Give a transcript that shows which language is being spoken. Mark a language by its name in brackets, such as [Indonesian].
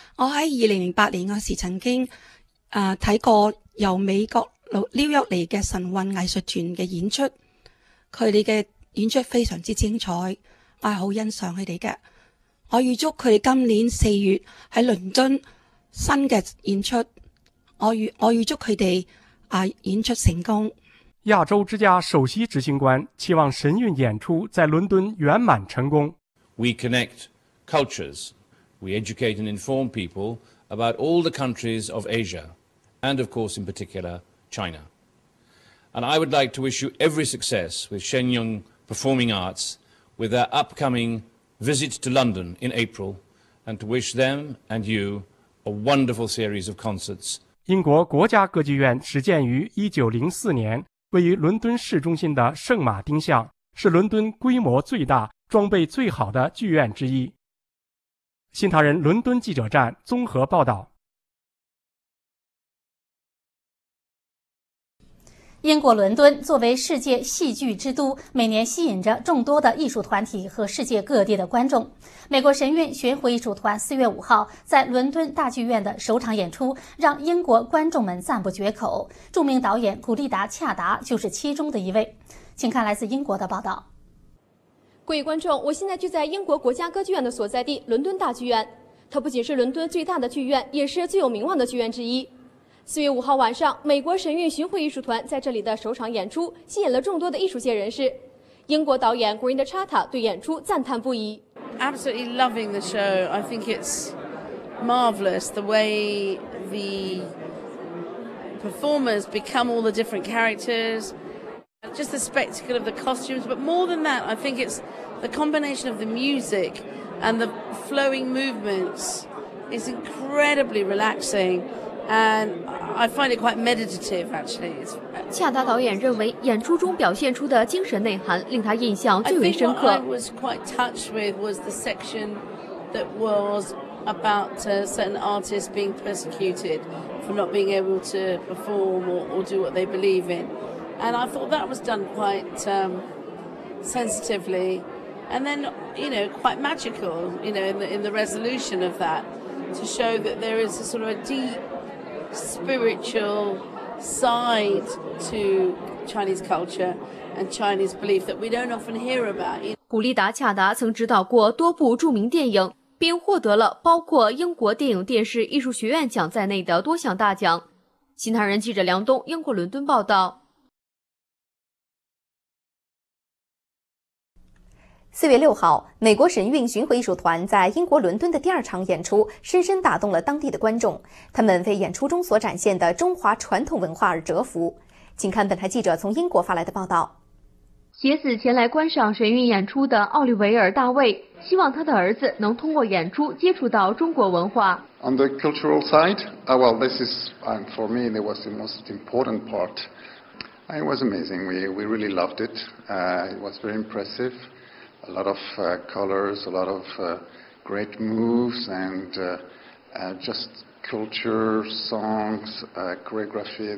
[Chinese] 我在2008年的时候曾经看过由美国纽约来的神韵艺术团的演出，他们的演出非常精彩，我很欣赏他们的。我预祝他们今年四月在伦敦新的演出，我预祝他们演出成功。亚洲之家首席执行官期望神韵演出在伦敦圆满成功。 [English] We connect cultures, we educate and inform people about all the countries of Asia, and of course in particular China. And I would like to wish you every success with Shenyang Performing Arts with their upcoming visit to London in April, and to wish them and you a wonderful series of concerts. [Chinese] 英国国家歌剧院始建于1904年，位于伦敦市中心的圣马丁巷，是伦敦规模最大、装备最好的剧院之一。新唐人伦敦记者站综合报道。英国伦敦作为世界戏剧之都，每年吸引着众多的艺术团体和世界各地的观众。美国神韵巡回艺术团4月5号在伦敦大剧院的首场演出让英国观众们赞不绝口。著名导演古丽达·恰达就是其中的一位。请看来自英国的报道。各位观众，我现在就在英国国家歌剧院的所在地伦敦大剧院，它不仅是伦敦最大的剧院，也是最有名望的剧院之一。 4月5号晚上，美国神韵巡回艺术团在这里的首场演出吸引了众多的艺术界人士。英国导演 Gurinder Chatta 对演出赞叹不已。 [English] Absolutely loving the show. I think it's marvelous the way the performers become all the different characters. Just the spectacle of the costumes, but more than that, I think it's the combination of the music and the flowing movements is incredibly relaxing. And I find it quite meditative, actually. [Chinese] 恰达导演认为演出中表现出的精神内涵令他印象最为深刻。 [English] I think what I was quite touched with was the section that was about certain artists being persecuted for not being able to perform or do what they believe in. And I thought that was done quite sensitively. And then, you know, quite magical, you know, in the resolution of that to show that there is a sort of a deep,spiritual side to Chinese culture and Chinese belief that we don't often hear about. [Chinese] 古丽达·恰达曾执导过多部著名电影，并获得了包括英国电影电视艺术学院奖在内的多项大奖。新唐人记者梁东，英国伦敦报道。 4月6号，美国神韵巡回艺术团在英国伦敦的第二场演出深深打动了当地的观众，他们为演出中所展现的中华传统文化而折服。请看本台记者从英国发来的报道。携子前来观赏神韵演出的奥利维尔·大卫希望他的儿子能通过演出接触到中国文化。 [English] On the cultural side, well, this is, for me, it was the most important part. It was amazing. We really loved it. It was very impressive. A lot of colors, a lot of great moves, and just culture, songs, choreography.